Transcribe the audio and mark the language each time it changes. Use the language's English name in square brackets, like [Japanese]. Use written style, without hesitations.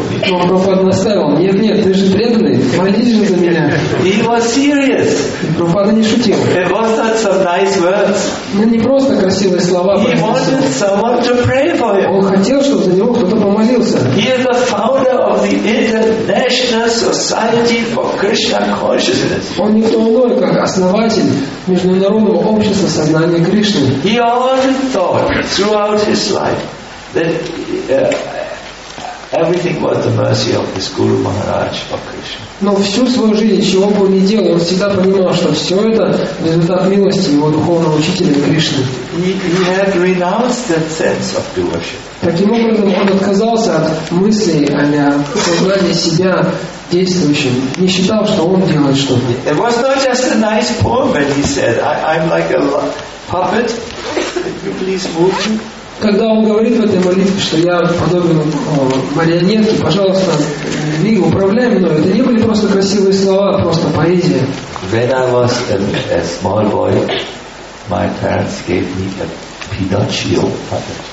[Russian] Прабхупада настаивал, нет, ты же преданный, молись же за меня. [English] He was serious. [Russian] Прабхупада не шутил. [English] It was not some nice words. [Russian] Ну не просто красивые слова. [English] He wanted someone to pray for him. [Russian] Он хотел, чтобы за него кто-то помолился. [English] He is the founder of the International Society for Krishna Consciousness. [Russian] Он не кто иной, как основатель международного общества сознания Кришны. [English] He always thought throughout his life that everything was the mercy of his Guru Maharaj for Krishna. [Russian] Но всю свою жизнь, чего бы он ни делал, он всегда понимал, что все это результат милости его духовного учителя Кришны. [English] He had renounced that sense of doership. [Russian] Таким образом, он отказался от мыслей о сознании себя действующим. Не считал, что он делает что-то. [English] It was not just a nice poem when he said, I'm like a puppet. You please move me. [Russian] Когда он говорит в этой молитве, что я подобен марионетке, пожалуйста, двигай, управляй мной. Это не были просто красивые слова, а просто поэзия. [English] When I was a small boy, my parents gave me a Pinocchio puppet.